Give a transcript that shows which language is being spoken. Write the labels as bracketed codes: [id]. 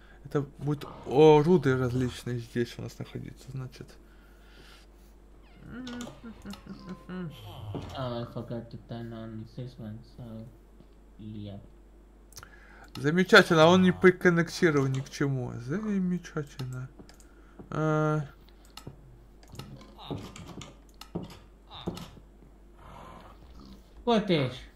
[ru] Это будут руды различные здесь у нас находиться, значит. [en] Oh, I forgot to turn on this one, so... Yeah. [ru] Замечательно, он не приконнектирован ни к чему. Замечательно. Котеш!